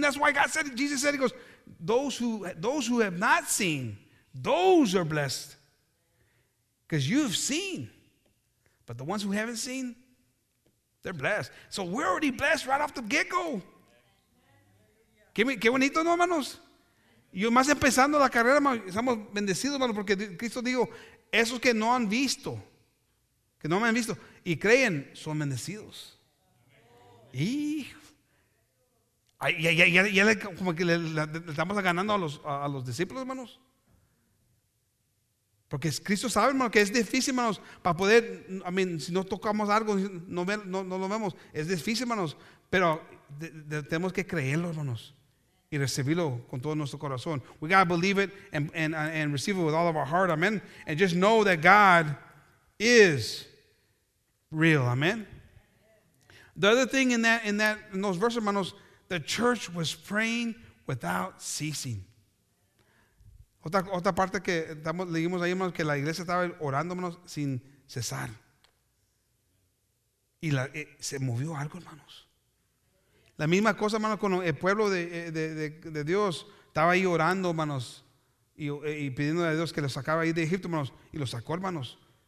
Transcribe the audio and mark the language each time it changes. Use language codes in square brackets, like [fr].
[en] That's why God said, Jesus said, he goes, those who have not seen, those are blessed. Because you have seen. But the ones who haven't seen, they're blessed. So we're already blessed right off the get-go. [es] Qué bonito, ¿no, hermanos? Yo más empezando la carrera, hermanos, estamos bendecidos, hermanos, porque Cristo dijo, esos que no han visto, que no me han visto, y creen, son bendecidos. Y ya como que le estamos ganando a los discípulos, hermanos. Porque Cristo sabe, hermano, que es difícil, hermanos, para poder, [en] I mean, [es] si no tocamos algo, no lo vemos. Es difícil, hermanos, pero tenemos que creerlo, hermanos, y recibirlo con todo nuestro corazón. [en] We got to believe it and receive it with all of our heart, amen. And just know that God is real, amen. The other thing in those verses, hermanos, the church was praying without ceasing. [es] Otra parte que leímos ahí, hermanos, que la iglesia estaba orando, hermanos, sin cesar. Y se movió algo, hermanos. La misma cosa, hermanos, cuando el pueblo de Dios estaba ahí orando, hermanos, y pidiendo a Dios que los sacara ahí de Egipto, hermanos, y los sacó, hermanos.